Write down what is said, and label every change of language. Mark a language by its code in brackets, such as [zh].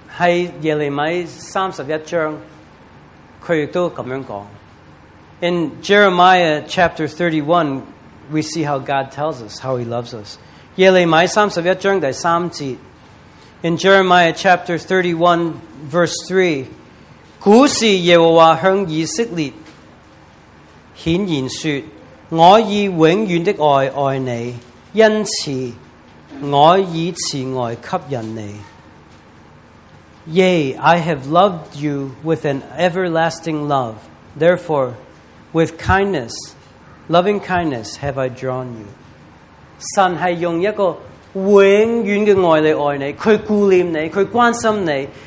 [zh] 耶利米在耶利米31章, 他也这样说。 [en] In Jeremiah chapter 31, we see how God tells us, how He loves us. [zh] 耶利米31章第三节, [en] in Jeremiah chapter 31, verse 3, [zh] 古時耶和華向以色列顯然說：我以永遠的愛愛你，因此我以慈愛給人你。 [en] Yea, I have loved you with an everlasting love. Therefore, with kindness, loving kindness have I drawn you. [zh] 神是用一個永遠的愛你愛你，祂顧念你，祂關心你。